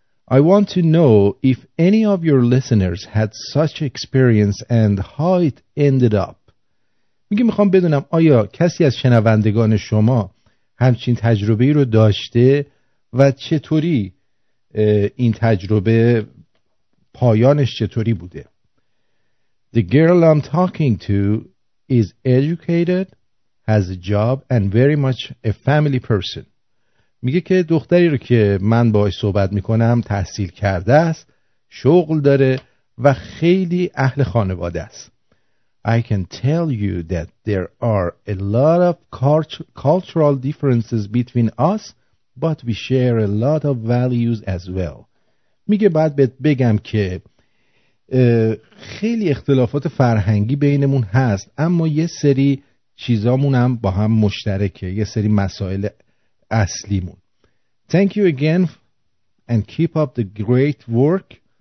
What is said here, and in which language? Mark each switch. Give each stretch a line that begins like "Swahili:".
English: I want to know if any of your listeners had such experience and how it ended up.
Persian: میگه میخوام بدونم آیا کسی از شنوندگان شما همچین تجربه‌ای رو داشته و چطوری این تجربه پایانش چطوری بوده.
English: The girl I'm talking to is educated, has a job and very much a family person.
Persian: میگه که دختری رو که من باهاش صحبت میکنم تحصیل کرده است، شغل داره و خیلی اهل خانواده است.
English: I can tell you that there are a lot of cultural differences between us, but we share a lot of values as well.
Persian: میگه بعد بهت بگم که خیلی اختلافات فرهنگی بینمون هست، اما یه سری چیزامون هم با هم مشترکه، یه سری مسائل اصلیمون.
English: Thank you again and keep up the great work.